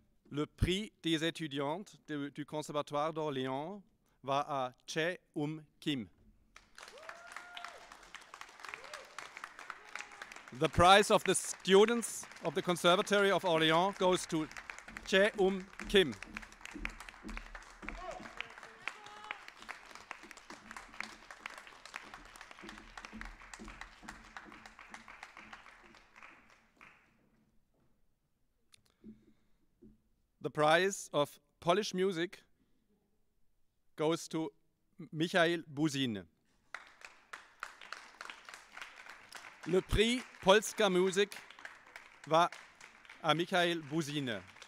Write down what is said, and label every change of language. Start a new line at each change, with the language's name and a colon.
French: Le prix des étudiantes du Conservatoire d'Orléans va à Che Kim.
English: The prize of the students of the Conservatory of Orléans goes to Che Kim. The prize of Polish music goes to Michael Buzin.
French: Le prix Polska Music va à Michael Buzin.